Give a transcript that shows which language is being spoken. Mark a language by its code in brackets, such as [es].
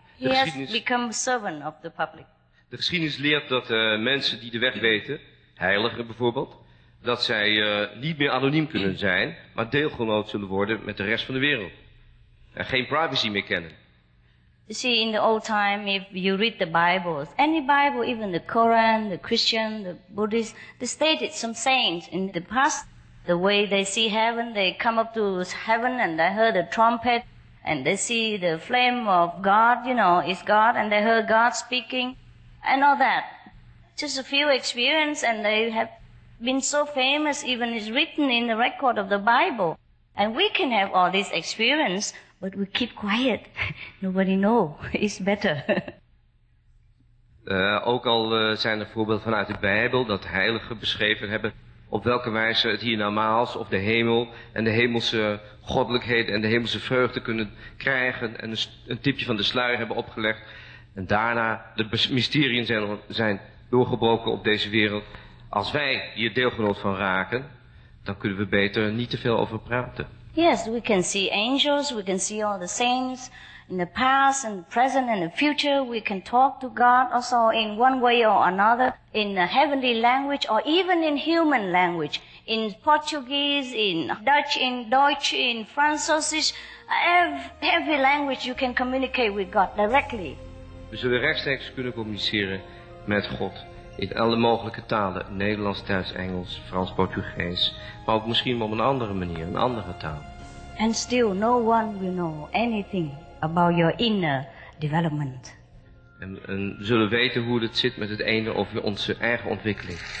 [en] He has become servant of the public. [nl] De geschiedenis leert dat mensen die de weg weten, heiligen bijvoorbeeld, dat zij niet meer anoniem kunnen zijn, maar deelgenoot zullen worden met de rest van de wereld. En geen privacy meer kennen. [en] You see, in the old time, if you read the Bibles, any Bible, even the Quran, the Christian, the Buddhist, they stated some saints in the past. The way they see heaven, they come up to heaven and they heard a trumpet and they see the flame of God, you know, is God, and they heard God speaking and all that. Just a few experiences, and they have been so famous, even it's written in the record of the Bible. And we can have all this experience, but we keep quiet. Nobody knows. It's better. [nl] Ook al zijn er voorbeelden vanuit de Bijbel dat heiligen beschreven hebben op welke wijze het hier normaal of de hemel en de hemelse goddelijkheden en de hemelse vreugde kunnen krijgen en een tipje van de sluier hebben opgelegd en daarna de mysterieën zijn doorgebroken op deze wereld. Als wij hier deelgenoot van raken, dan kunnen we beter niet te veel over praten. [en] Yes, we can see angels, we can see all the saints in the past and the present and the future. We can talk to God also in one way or another, in a heavenly language or even in human language, in Portuguese, in Dutch, in Deutsch, in Französisch, every language you can communicate with God directly. [nl] We zullen rechtstreeks kunnen communiceren met God in alle mogelijke talen, Nederlands, Duits, Engels, Frans, Portugees, maar ook misschien op een andere manier, een andere taal. [en] And still no one will know anything about your inner development. [nl] En we zullen weten hoe het zit met het ene of onze eigen ontwikkeling.